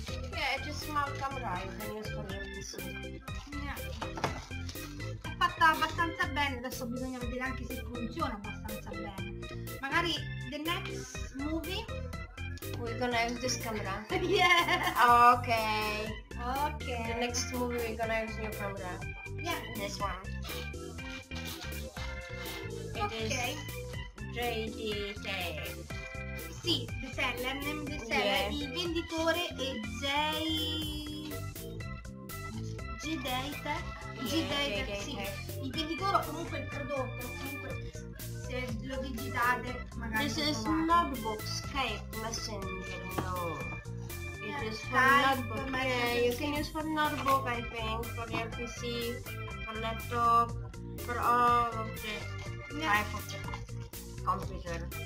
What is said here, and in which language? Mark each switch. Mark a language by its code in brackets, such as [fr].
[en] Yeah, it's a small camera, I can use for this. Yeah. [it] È fatta abbastanza bene, adesso bisogna vedere anche se funziona abbastanza bene. Magari [en] the next movie. We're gonna use this camera. Yeah. Okay. Okay. The next movie we're gonna use your camera. Yeah. This one. It is JD. [it] Sì, [en] The Seller, The Seller, [it] il venditore è Jay... G-Data, sì. Il venditore o comunque il prodotto, comunque se lo digitate magari... [en] This is notebook Skype Messenger, no. It is for notebook, yeah, you can use for notebook, I think, for your PC, for laptop, for all of the type of the computer.